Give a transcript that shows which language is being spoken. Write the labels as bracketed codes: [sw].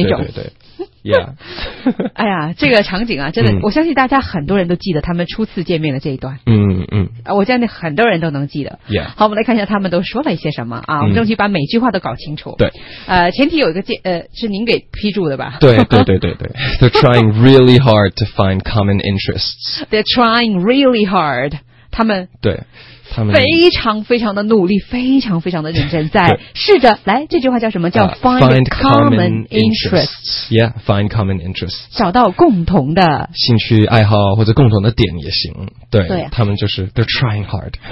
[zh] 对对对对对对 [en] Yeah. [zh] 哎呀，这个场景啊，真的、我相信大家很多人都记得他们初次见面的这一段。嗯嗯，我相信很多人都能记得。 [en] Yeah. [zh] 好，我们来看一下他们都说了一些什么啊。我们争取把每句话都搞清楚。对，前提有一个是您给批注的吧？对对对对对。 [en] They're trying really hard to find common interests. They're trying really hard. [zh] 他们对。他们非常非常的努力，非常非常的认真，在试着来这句话叫什么？ [en] 叫 find common interests， yeah， find common interests， [zh] 找到共同的兴趣爱好或者共同的点也行。对，对，他们就是 [en] they're trying hard。